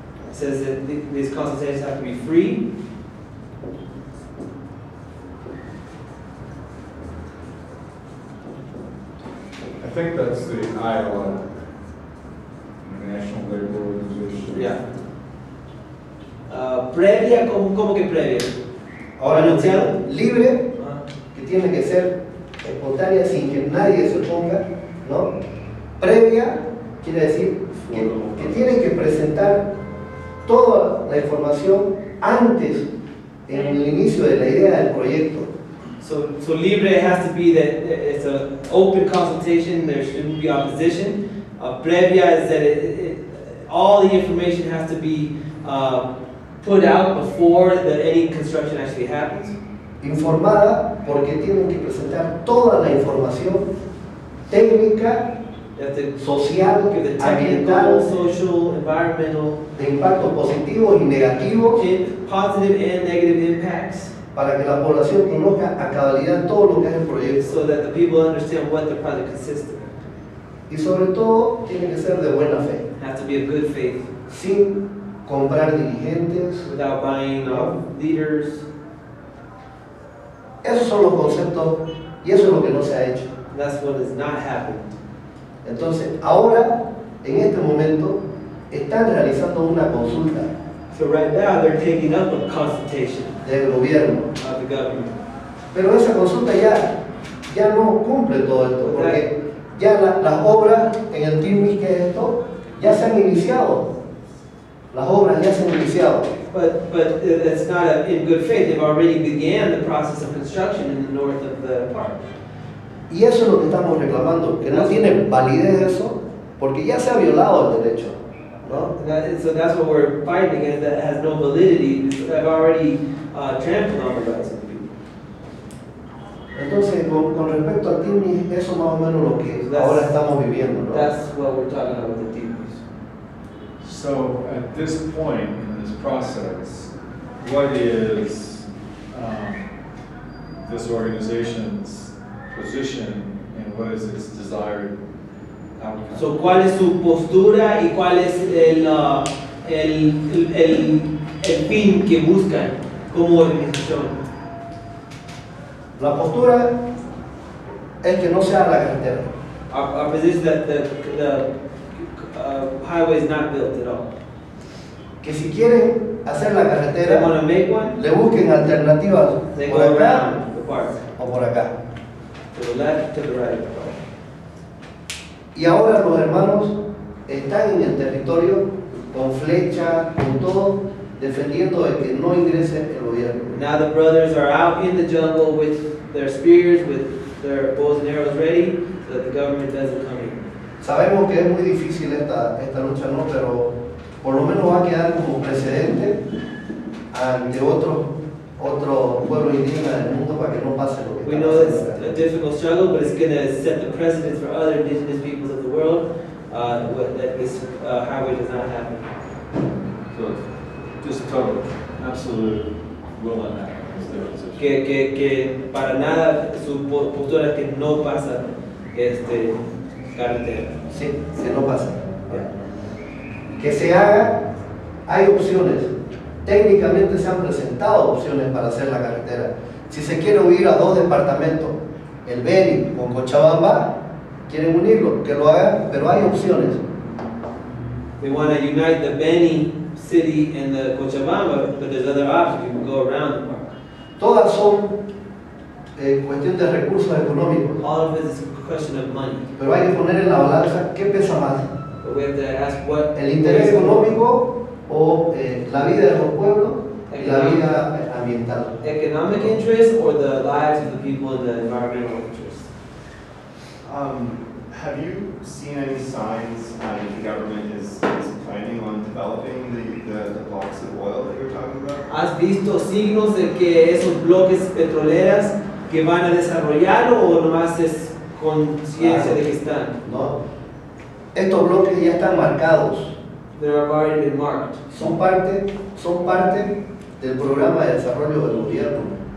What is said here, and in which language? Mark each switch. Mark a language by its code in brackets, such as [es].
[en] It says that these consultations have to be free. I think that's the ILO, International Labor Organization. Yeah. [es] Previa, ¿cómo que previa? Ahora no sea libre, que tiene que ser espontánea sin que nadie se oponga, ¿no? Previa quiere decir que tienen que presentar toda la información antes, en el inicio de la idea del proyecto. So libre has to be that it's an open consultation, there shouldn't be opposition. Previa is that all the information has to be put out before that any construction actually happens. Informada, porque tienen que presentar toda la información técnica, social, ambiental, [en] social, environmental, [es] de impacto positivo y negativo, [en] positive and negative impacts, [es] para que la población conozca a cabalidad todo lo que es el proyecto, [en] so that the people understand what the project consists of. [es] Y sobre todo tiene que ser de buena fe, [en] have to be of good faith, [es] sin comprar dirigentes, [en] without buying leaders. [es] Esos son los conceptos y eso es lo que no se ha hecho. [en] That's what has not happened. [es] Entonces, ahora, en este momento, están realizando una consulta. [en] So right now they're taking up a consultation [es] del gobierno. [en] Of the government. [es] Pero esa consulta ya no cumple todo esto, porque ya las obras en el TIMIS, que es esto, ya se han iniciado. Las obras ya se han iniciado. [en] But it's not in good faith. They've already began the process of construction in the north of the park. [es] Y eso es lo que estamos reclamando, que no tiene validez eso, porque ya se ha violado el derecho, ¿no? [en] So that's what we're fighting against, that has no validity. They've already trampled on the rights of the people. [es] Entonces, con respecto al TIMIS, eso más o menos lo que ahora estamos viviendo, ¿no? [en] That's what we're talking about with the TIMIS. So at this point, this process, what is this organization's position and what is its desired outcome? [es] So, ¿cuál es su postura y cuál es el fin que buscan como organización? La postura es que no sea la carretera. [en] Our position is that the highway is not built at all. [es] Que si quieren hacer la carretera, [en] one, [es] le busquen alternativas por acá [en] the park, [es] o por acá. [en] To the left, to the right. [es] Y ahora los hermanos están en el territorio con flecha, con todo, defendiendo de que no ingrese el gobierno. [en] Now the brothers are out in the jungle with their spears, with their bows and arrows ready, so that the government doesn't come in. [es] Sabemos que es muy difícil esta lucha, ¿no? Pero por lo menos va a quedar como precedente ante otro pueblo indígena del mundo para que no pase lo que [en] we know it's a difficult struggle, but it's going to set the precedent for other indigenous peoples of the world that this highway does not happen. So, just total, absolute will on that. [es] Que para nada su postura es que no pasa este carretera. Sí, se lo pasa. Que se haga, hay opciones. Técnicamente se han presentado opciones para hacer la carretera. Si se quiere unir a dos departamentos, el Beni con Cochabamba, quieren unirlo, que lo hagan, pero hay opciones. [en] They want to unite the Beni city and the Cochabamba, but there's other options. You can go around the park. [es] Todas son cuestión de recursos económicos. [en] All of it is a question of money. [es] Pero hay que poner en la balanza qué pesa más. [en] But we have to ask what [es] el interés económico o la vida de los pueblos y la vida ambiental. [en] Economic interest or the lives of the people and the environmental interest. Have you seen any signs that the government is planning on developing the blocks of oil that you're talking about? [es] ¿Has visto signos de que esos bloques petroleras que van a desarrollar o nomás es conciencia de que están? No. Estos bloques ya están marcados. [en] They have already been marked. [es] Son parte del programa de desarrollo del gobierno.